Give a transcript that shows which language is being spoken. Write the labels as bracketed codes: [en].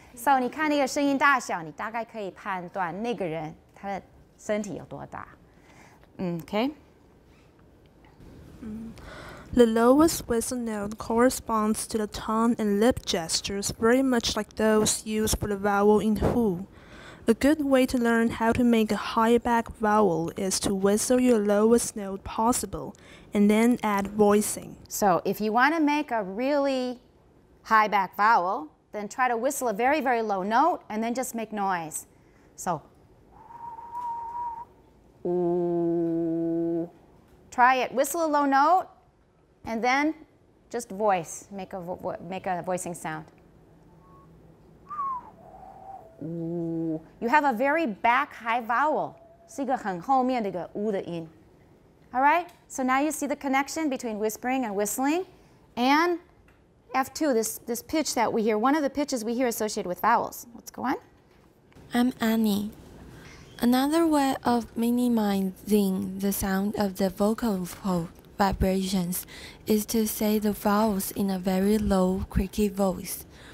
[zh] So, 你看那个声音大小,你大概可以判断那个人他的身体有多大。 [en] Okay? The lowest whistle note corresponds to the tongue and lip gestures very much like those used for the vowel in who. A good way to learn how to make a high back vowel is to whistle your lowest note possible and then add voicing. So if you want to make a really high back vowel, then try to whistle a very, very low note and then just make noise. So, ooh. Try it. Whistle a low note and then just voice. Make a voicing sound. Ooh. You have a very back high vowel. [zh] 是一个很后面的一个 u 的音. [en] All right? So now you see the connection between whispering and whistling. And F2, this pitch that we hear, one of the pitches we hear associated with vowels. Let's go on. I'm Annie. Another way of minimizing the sound of the vocal vibrations is to say the vowels in a very low, creaky voice.